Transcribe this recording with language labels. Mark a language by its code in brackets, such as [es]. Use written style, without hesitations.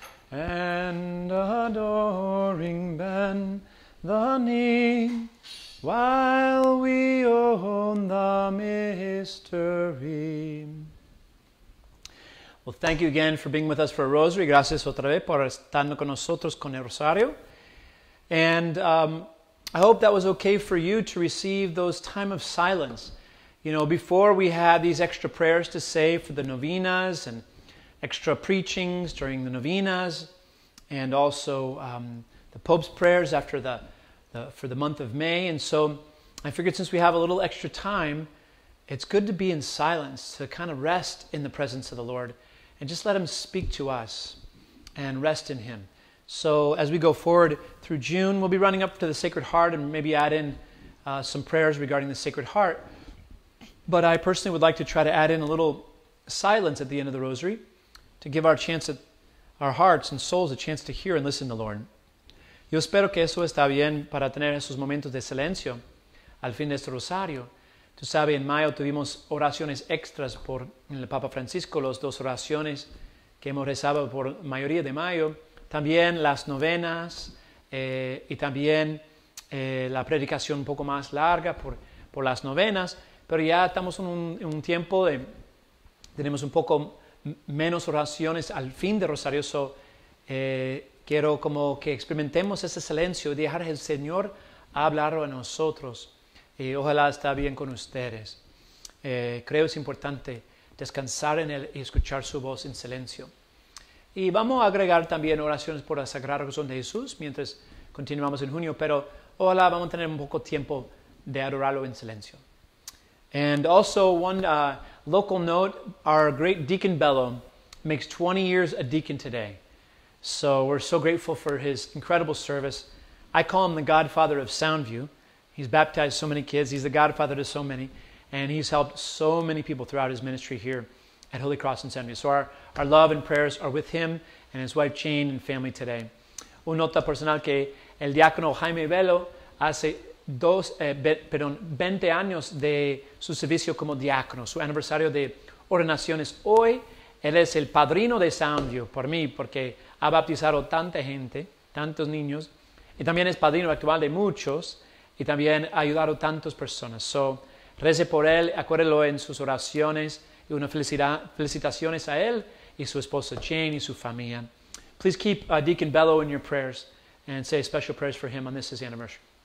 [en] And adoring bend the knee, while we own the mystery. Well, thank you again for being with us for a rosary. [es] Gracias otra vez por estando con nosotros con el rosario. [en] And I hope that was okay for you to receive those time of silence. You know, before we had these extra prayers to say for the novenas and extra preachings during the novenas, and also the Pope's prayers after for the month of May. And so I figured since we have a little extra time, it's good to be in silence, to kind of rest in the presence of the Lord. and just let him speak to us and rest in him. So as we go forward through June, we'll be running up to the Sacred Heart and maybe add in some prayers regarding the Sacred Heart. But I personally would like to try to add in a little silence at the end of the Rosary to give our chance at our hearts and souls a chance to hear and listen to the Lord. [es] Yo espero que eso está bien para tener esos momentos de silencio al fin de este Rosario. Tú sabes, en mayo tuvimos oraciones extras por el Papa Francisco, las dos oraciones que hemos rezado por mayoría de mayo. También las novenas y también la predicación un poco más larga por las novenas. Pero ya estamos en un tiempo de tenemos un poco menos oraciones al fin de Rosario. So, quiero como que experimentemos ese silencio y dejar al Señor hablar a nosotros. Y ojalá está bien con ustedes. Creo es importante descansar en él y escuchar su voz en silencio. Y vamos a agregar también oraciones por el Sagrado Corazón de Jesús mientras continuamos en junio, pero ojalá vamos a tener un poco tiempo de adorarlo en silencio. [en] And also one local note, our great Deacon Bello makes 20 years a deacon today. So we're so grateful for his incredible service. I call him the godfather of Soundview. He's baptized so many kids. He's the godfather to so many. And he's helped so many people throughout his ministry here at Holy Cross in Soundview. So our love and prayers are with him and his wife Jane and family today. [es] Una nota personal que el diácono Jaime Bello hace 20 años de su servicio como diácono. Su aniversario de ordenación es hoy. Él es el padrino de Soundview por mí, porque ha bautizado tanta gente, tantos niños. Y también es padrino actual de muchos. Y también ha ayudado a tantas personas. So, rece por él, acuérdelo en sus oraciones. Y una felicitaciones a él y su esposa Jane y su familia. [en] Please keep Deacon Bello in your prayers and say special prayers for him on this anniversary.